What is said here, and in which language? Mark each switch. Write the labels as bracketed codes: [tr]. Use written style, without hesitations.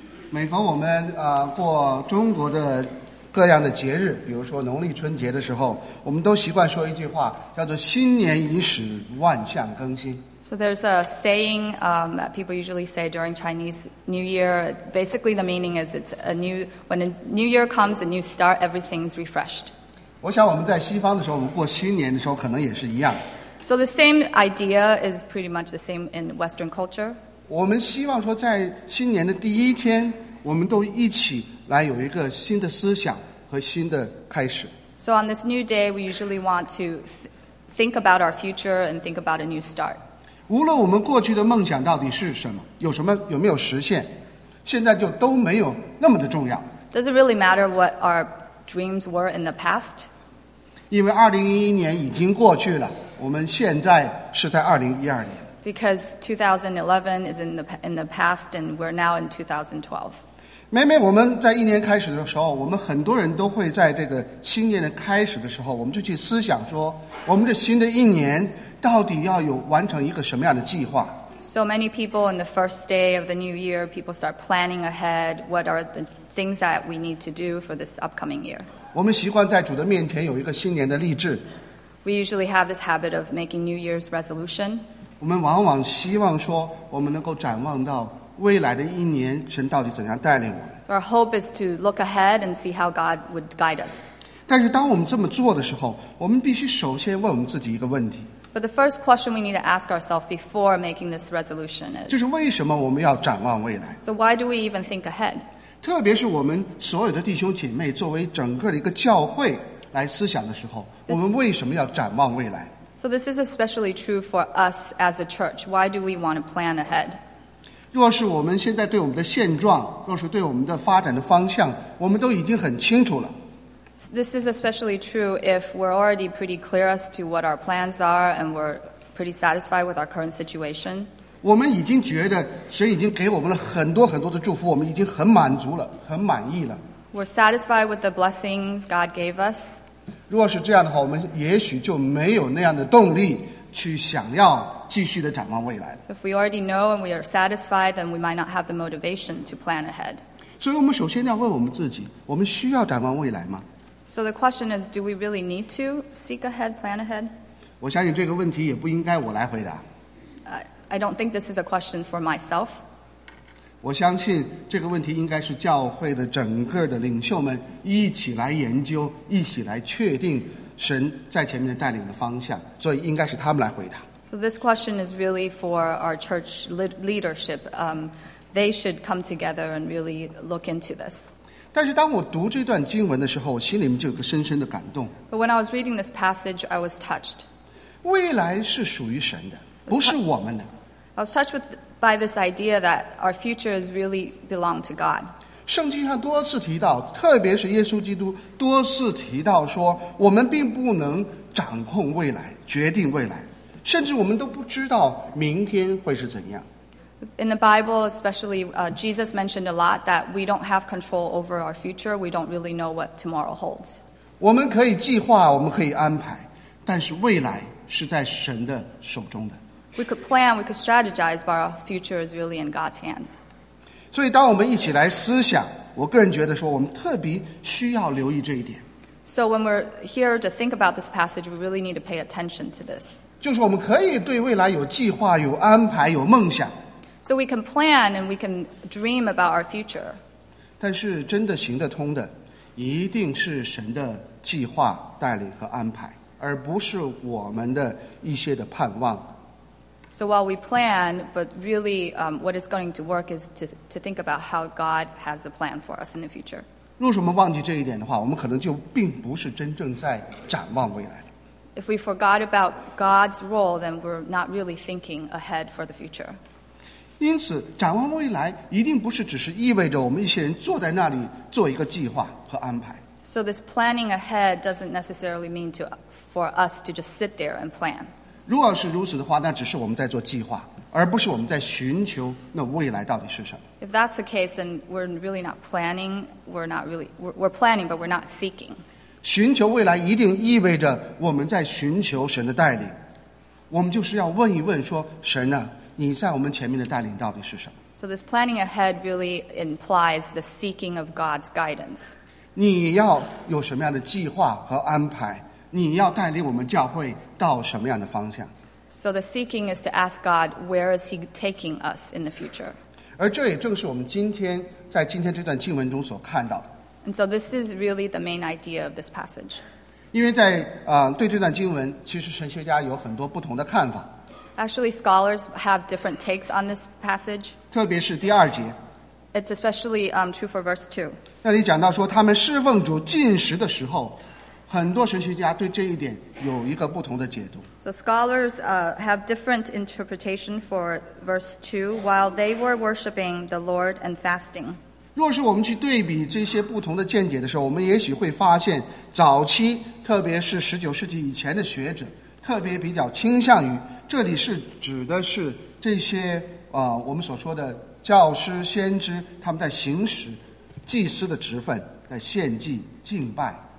[zh] 每逢我们过中国的各样的节日，比如说农历春节的时候，我们都习惯说一句话，叫做“新年伊始，万象更新”。 [en] So there's a saying that people usually say during Chinese New Year. Basically, the meaning is it's a new when a new year comes, a new start, everything's refreshed. [zh] 我想我们在西方的时候，我们过新年的时候可能也是一样。 [en] So the same idea is pretty much the same in Western culture. [zh] 我们希望说在新年的第一天，我们都一起来有一个新的思想和新的开始。 [en] So on this new day, we usually want to think about our future and think about a new start. [zh] 无论我们过去的梦想到底是什么，有什么有没有实现，现在就都没有那么的重要。 [en] Does it really matter what our dreams were in the past? [zh] 因为2011年已经过去了，我们现在是在2012年。 [en] Because 2011 is in the past and we're now in 2012. [zh] 每每我们在一年开始的时候，我们很多人都会在这个新年的开始的时候，我们就去思想说，我们这新的一年到底要有完成一个什么样的计划。 [en] So many people in the first day of the new year, people start planning ahead what are the things that we need to do for this upcoming year. [zh] 我们习惯在主的面前有一个新年的立志。 [en] We usually have this habit of making New Year's resolution. [zh] 我们往往希望说我们能够展望到未来的一年神到底怎样带领我们。 [en] So our hope is to look ahead and see how God would guide us. [zh] 但是当我们这么做的时候，我们必须首先问我们自己一个问题。 [en] But the first question we need to ask ourselves before making this resolution is, [zh] 就是为什么我们要展望未来？ [en] So why do we even think ahead? [zh] 特别是我们所有的弟兄姐妹作为整个的一个教会来思想的时候，我们为什么要展望未来？ [en] So this is especially true for us as a church. Why do we want to plan ahead? [zh] 若是我们现在对我们的现状，若是对我们的发展的方向，我们都已经很清楚了。 [en] This is especially true if we're already pretty clear as to what our plans are and we're pretty satisfied with our current situation. [zh] 我们已经觉得神已经给我们了很多很多的祝福，我们已经很满足了，很满意了。 [en] We're satisfied with the blessings God gave us. [zh] 若是这样的话，我们也许就没有那样的动力去想要继续的展望未来。 [en] So if we already know and we are satisfied, then we might not have the motivation to plan ahead. [zh] 所以我们首先要问我们自己，我们需要展望未来吗？ [en] So the question is, do we really need to seek ahead, plan ahead? [zh] 我相信这个问题也不应该我来回答。 [en] I don't think this is a question for myself. [zh] 我相信这个问题应该是教会的整个的领袖们一起来研究，一起来确定神在前面的带领的方向，所以应该是他们来回答。 [en] So this question is really for our church leadership. They should come together and really look into this. [zh] 但是当我读这段经文的时候，我心里面就有个深深的感动。 [en] But when I was reading this passage, I was touched. [zh] 未来是属于神的，不是我们的。 [en] I was touched by this idea that our future is really belong to God. [zh] 圣经上多次提到，特别是耶稣基督多次提到说，我们并不能掌控未来，决定未来，甚至我们都不知道明天会是怎样。 [en] In the Bible, especially, Jesus mentioned a lot that we don't have control over our future. We don't really know what tomorrow holds. [zh] 我们可以计划，我们可以安排，但是未来是在神的手中的。 [en] We could plan, we could strategize, but our future is really in God's hand. [zh] 所以当我们一起来思想，我个人觉得说我们特别需要留意这一点。 [en] So when we're here to think about this passage, we really need to pay attention to this. [zh] 就是我们可以对未来有计划，有安排，有梦想。 [en] So we can plan and we can dream about our future. [zh] 但是真的行得通的，一定是神的计划、带领和安排，而不是我们的一些的盼望。 [en] So while we plan, but really, what is going to work is to think about how God has a plan for us in the future. [zh] 若是我们忘记这一点的话，我们可能就并不是真正在展望未来。 [en] If we forgot about God's role, then we're not really thinking ahead for the future. [zh] 因此展望未来一定不是只是意味着我们一些人坐在那里做一个计划和安排。 [en] So this planning ahead doesn't necessarily mean for us to just sit there and plan. [zh] 如果是如此的话，那只是我们在做计划，而不是我们在寻求那未来到底是什么。 [en] If that's the case, then we're really not planning. We're planning, but we're not seeking. [zh] 寻求未来一定意味着我们在寻求神的带领。我们就是要问一问说，神啊，你在我们前面的带领到底是什么？ [en] So this planning ahead really implies the seeking of God's guidance. [zh] 你要有什么样的计划和安排？你要带领我们教会到什么样的方向？ [en] So the seeking is to ask God, where is he taking us in the future? [zh] 而这也正是我们今天在今天这段经文中所看到的。 [en] And so this is really the main idea of this passage. [zh] 因为在对这段经文，其实神学家有很多不同的看法。 [en] Actually, scholars have different takes on this passage. [zh] 特别是第二节。 [en] It's especially true for verse 2. [zh] 那里讲到说，他们侍奉主进食的时候，很多神学家对这一点有一个不同的解读。 [en] So scholars have different interpretation for verse 2 while they were worshiping the Lord and fasting. [zh] 若是我们去对比这些不同的见解的时候，我们也许会发现早期，特别是19世纪以前的学者，特别比较倾向于这里是指的是这些我们所说的教师、先知，他们在行使祭司的职分，在献祭、敬拜。